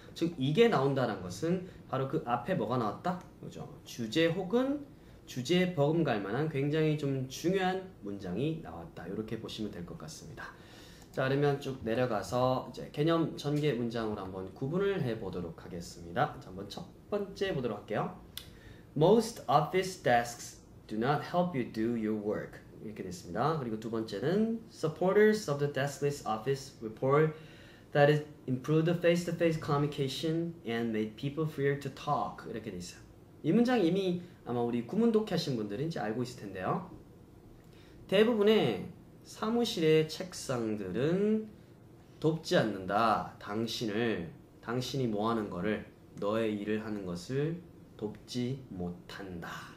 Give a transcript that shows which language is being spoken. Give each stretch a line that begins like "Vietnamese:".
Korean: 즉 이게 나온다라는 것은 바로 그 앞에 뭐가 나왔다? 그죠? 주제 혹은 주제에 버금갈 만한 굉장히 좀 중요한 문장이 나왔다. 이렇게 보시면 될것 같습니다. 자, 그러면 쭉 내려가서 이제 개념 전개 문장으로 한번 구분을 해보도록 하겠습니다. 자, 한번 첫 번째 보도록 할게요.
English: Most office desks do not help you do your work.
Korean: 이렇게 됐습니다. 그리고 두 번째는
English: Supporters of the deskless office report that it improved face-to-face communication and made people freer to talk.
Korean: 이렇게 돼 있어요. 이 문장 이미 아마 우리 구문독해 하신 분들은 이제 알고 있을 텐데요. 대부분의 사무실의 책상들은 돕지 않는다. 당신이 뭐 하는 거를, 너의 일을 하는 것을 돕지 못한다.